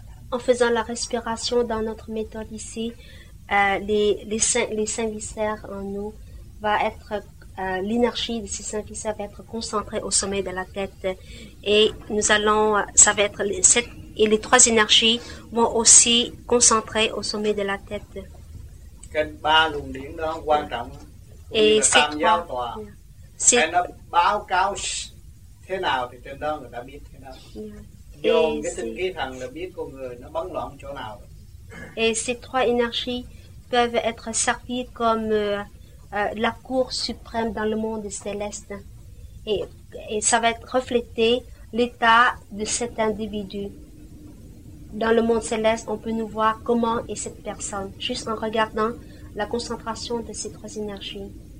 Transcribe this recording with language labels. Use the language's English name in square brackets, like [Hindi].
[French] En faisant la respiration dans notre méthode ici, les cinq viscères en nous va être l'énergie de ces cinq viscères va être concentrée au sommet de la tête et nous allons ça va être les trois énergies vont aussi concentrer au sommet de la tête. [Vietnamese] Cái ba luồng điện đó quan trọng. [French] Et c'est [Vietnamese] tam giao tòa. [French] C'est [Vietnamese] nó báo cáo thế nào thì trên đó người ta biết thế nào. [French] Et ces trois énergies peuvent être servies comme la cour suprême dans le monde céleste. Et ça va être reflété l'état de cet individu. Dans le monde céleste, on peut nous voir comment est cette personne, juste en regardant la concentration de ces trois énergies.